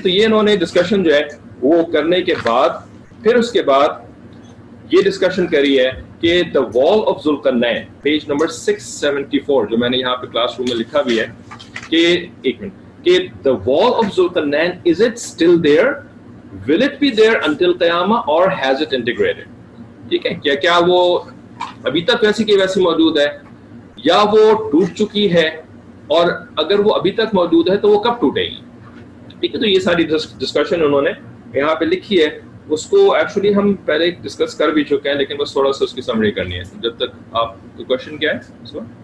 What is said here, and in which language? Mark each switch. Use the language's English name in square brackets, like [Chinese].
[Hindi] तो ये इन्होंने डिस्कशन जो है वो करने के बाद, फिर उसके बाद ये डिस्कशन करी है कि the wall of ज़ुल्कर्नैन, page number 674 जो मैंने यहाँ पे क्लासरूम में लिखा भी है कि एक मिनट, कि [English] the wall of Zulkarnain, is it still there? Will it be there until Qiyamah or has it integrated? [Hindi] ठीक है, क्या क्या वो अभी तक वैसी की वैसी मौजूद है या वो टूट चुकी है, और अगर वो अभी तक मौजूद है तो वो कब टूटेगी, ठीक है। तो ये सारी डिस्कशन उन्होंने यहाँ पे लिखी है, उसको एक्चुअली हम पहले डिस्कस कर भी चुके हैं, लेकिन बस थोड़ा सा उसकी समरी करनी है जब तक आप, तो क्वेश्चन क्या है इसमें?